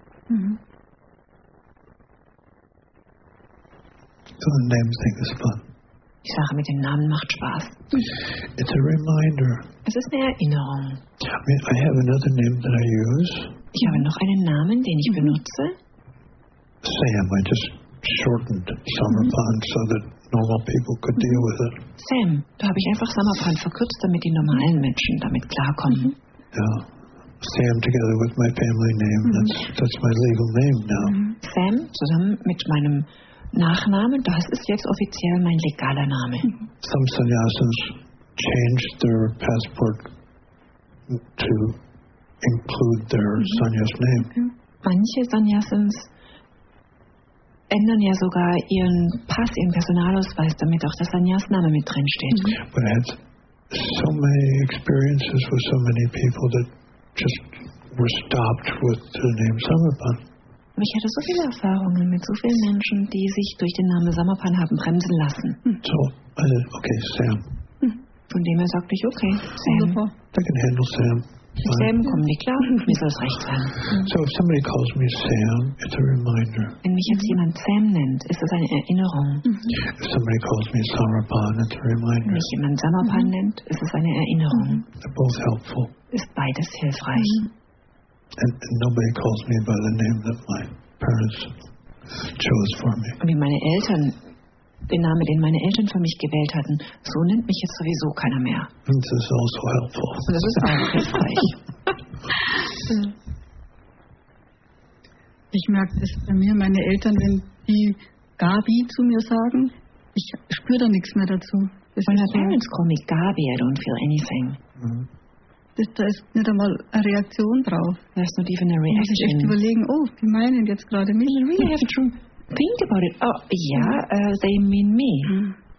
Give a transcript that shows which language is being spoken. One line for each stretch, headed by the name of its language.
English: So the name thing is fun.
German: Die Sache mit dem Namen macht Spaß.
English: It's a reminder.
German: Es ist eine Erinnerung.
English: I have another name that I use.
German: Ich habe noch einen Namen, den ich benutze.
English: Sam, I just shortened Samarpan so that normal people could deal with it.
German: Sam, da habe ich einfach Samarpan verkürzt, damit die normalen Menschen damit klarkommen.
English: Yeah. Sam together with my family name. That's my legal name now.
German: Sam zusammen mit meinem Nachname, das ist jetzt offiziell mein legaler Name.
English: Some sannyasins changed their passport to include their sannyas name.
German: Manche sannyasins ändern ja sogar ihren Pass, ihren Personalausweis, damit auch der Sannyas-Name mit drin steht.
English: But I had so many experiences with so many people that just were stopped with the name Samarpan.
German: Ich hatte so viele Erfahrungen mit so vielen Menschen, die sich durch den Namen Samarpan haben bremsen lassen.
English: So, okay, Sam.
German: Von dem her sagte ich, okay, Sam.
English: They can handle Sam.
German: Sam, kommen wir klar? Mir soll es recht sein.
English: So if somebody calls me Sam, it's a reminder.
German: Wenn mich jetzt jemand Sam nennt, ist das eine Erinnerung.
English: If somebody calls me Samarpan, it's a reminder.
German: Wenn mich jemand Samarpan nennt, ist es eine Erinnerung.
English: They're both helpful.
German: Ist beides hilfreich.
English: And nobody calls me by the name that my parents chose for me.
German: Und wie meine Eltern, den Namen, den meine Eltern für mich gewählt hatten, so nennt mich jetzt sowieso keiner mehr.
English: And this is also helpful.
German: Und das ist auch hilfreich. Ich merke das bei mir, meine Eltern, wenn die Gabi zu mir sagen, ich spüre da nichts mehr dazu.
English: My parents call me Gabi, I don't feel anything.
German: Da ist nicht einmal eine Reaktion drauf.
English: There's not even a reaction.
German: Ich muss echt überlegen, oh, die meinen jetzt gerade mich.
English: You really have to think about it. Oh, yeah, they mean me.